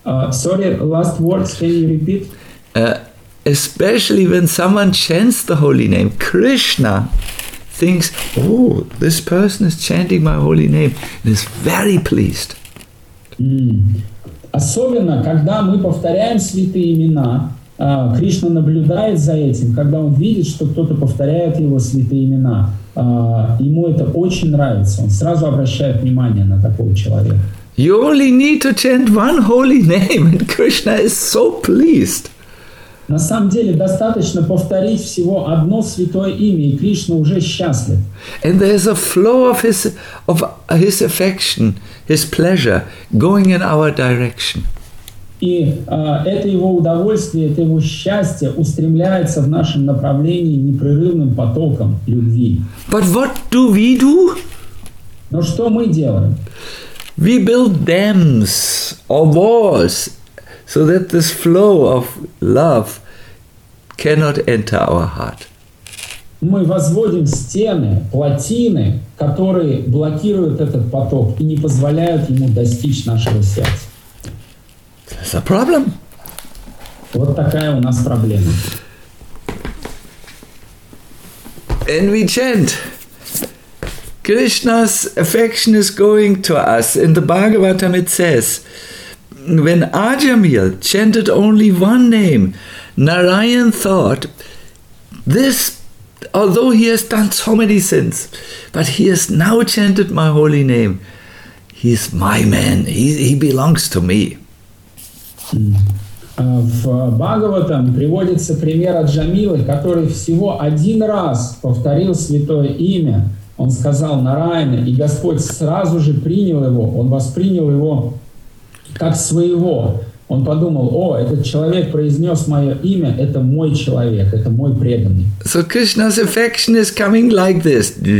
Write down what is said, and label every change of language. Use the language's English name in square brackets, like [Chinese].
[English] Sorry, last words, can you repeat? Especially when someone chants the holy name, Krishna thinks, oh, this person is chanting my holy name and is very pleased. [Russian] Особенно, когда мы повторяем святые имена, Кришна наблюдает за этим, когда он видит, что кто-то повторяет его святые имена. Ему это очень нравится. Он сразу обращает внимание на такого человека. [English] You only need to chant one holy name, and Krishna is so pleased. [Russian] На самом деле, достаточно повторить всего одно святое имя, и Кришна уже счастлив. [English] And there's a flow of his affection, his pleasure, going in our direction. [Russian] И это его удовольствие, это его счастье устремляется в нашем направлении непрерывным потоком любви. [English] But what do we do? [Russian] Но что мы делаем? [English] We build dams or walls so that this flow of love cannot enter our heart. [Russian] Мы возводим стены, плотины, которые блокируют этот поток и не позволяют ему достичь нашего сердца. [English] That's a problem. [Russian] Вот такая у нас проблема. [English] And we chant. Krishna's affection is going to us. In the Bhagavatam it says, when Ajamil chanted only one name, Narayan thought, this, although he has done so many sins, but he has now chanted my holy name. He's my man. He belongs to me. [Russian] В Бхагаватам приводится пример Аджамилы, который всего один раз повторил святое имя. Он сказал Нараяна, и Господь сразу же принял его, он воспринял его как своего. Он подумал, о, этот человек произнес мое имя, это мой человек, это мой преданный. [English] So Krishna's affection is coming like this.